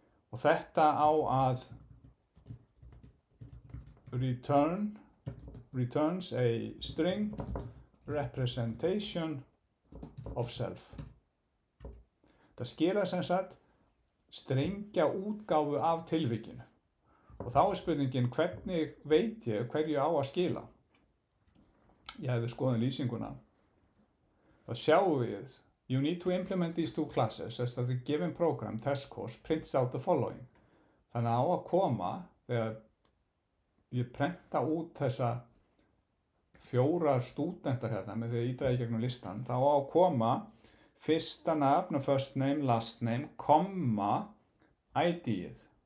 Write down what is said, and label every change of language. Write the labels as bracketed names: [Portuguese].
[Icelandic] Og þetta á að [English] returns a string representation of self. [Icelandic] Það skilar sem sagt strengja útgáfu af tilvikinu. Og þá er spurningin hvernig veit ég hverju á að skila? Ég hefði skoðun lýsinguna. Það sjáum við, [English] you need to implement these two classes as the given program test course prints out the following. [Icelandic] Þannig á að koma þegar ég prenta út þessa fjóra stúdenta hérna með því að ítaði gegnum listan, þá á að koma fyrsta nafn, [English] first name, last name, [Icelandic] komma, ID-ið.